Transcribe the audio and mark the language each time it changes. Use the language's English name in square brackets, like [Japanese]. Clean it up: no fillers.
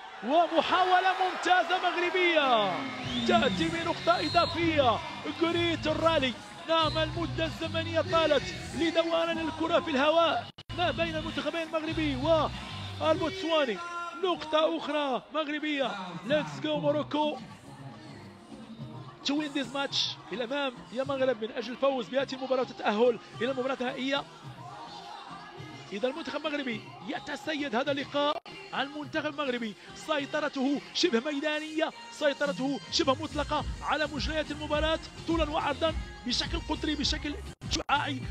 [Arabic] ومحاولة ممتازة مغربية تأتي من نقطة إضافية. جريت الرالي، نعم المدة الزمنية طالت لدوران الكرة في الهواء ما بين المنتخبين المغربي والبوتسواني. نقطة أخرى مغربية. [English] Let's go Morocco to win this match. [Arabic] الأمام يا مغرب من أجل الفوز بهذه المباراة وتتأهل إلى المباراة النهائية. إذا المنتخب المغربي يتسيد هذا اللقاء. المنتخب المغربي سيطرته شبه ميدانية، سيطرته شبه مطلقة على مجريات المباراة طولا وعرضا بشكل قطري بشكل شعاعي.